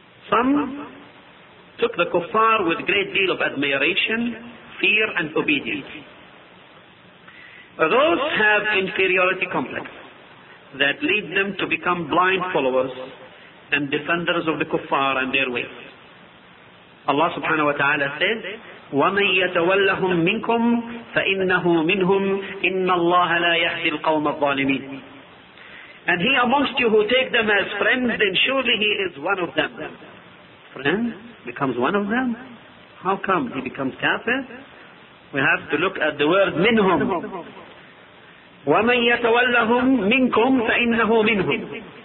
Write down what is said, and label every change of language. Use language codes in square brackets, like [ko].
[en] Some took the kuffar with great deal of admiration, fear and obedience. Those have inferiority complex that lead them to become blind followers and defenders of the kuffar and their ways. Allah subhanahu wa ta'ala says, [ar] وَمَنْ يَتَوَلَّهُمْ مِنْكُمْ فَإِنَّهُ مِنْهُمْ إِنَّ اللَّهَ لَا يَهْدِي الْقَوْمَ الظَّالِمِينَ. [en] And he amongst you who take them as friends, then surely he is one of them. Friend becomes one of them? How come he becomes kafir? We have to look at the word minhum. [ar] وَمَنْ يَتَوَلَّهُمْ مِنْكُمْ فَإِنَّهُ مِنْهُمْ.